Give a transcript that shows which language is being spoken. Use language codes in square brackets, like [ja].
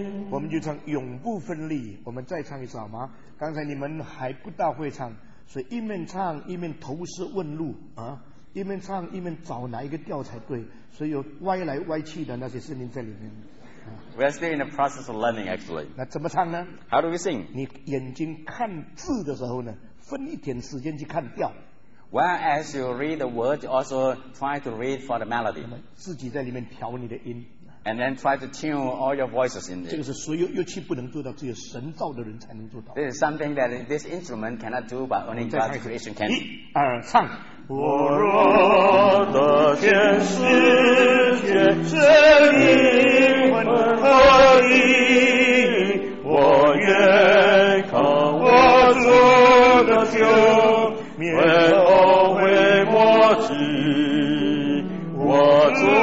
[zh] 我们就唱永不分离，我们再唱一次好吗？刚才你们还不大会唱，所以一面唱一面投石问路啊，一面唱一面找哪一个调才对，所以有歪来歪去的那些声音在里面、 [en] 啊、We are still in the process of learning actually. [zh] 那怎么唱呢？ [en] How do we sing? [zh] 你眼睛看字的时候呢，分一点时间去看调。 [en] Well, as you read the word, you also try to read for the melody. [zh] 自己在里面调你的音。 [en] And then try to tune all your voices in [zh] there. 这个是所有乐器不能做到，只有神造的人才能做到。 [en] This is something that this instrument cannot do, but only God's creation can. [zh] 一二唱。我若得全世界，这灵魂合一，我愿靠我主的救免后悔莫及。我主。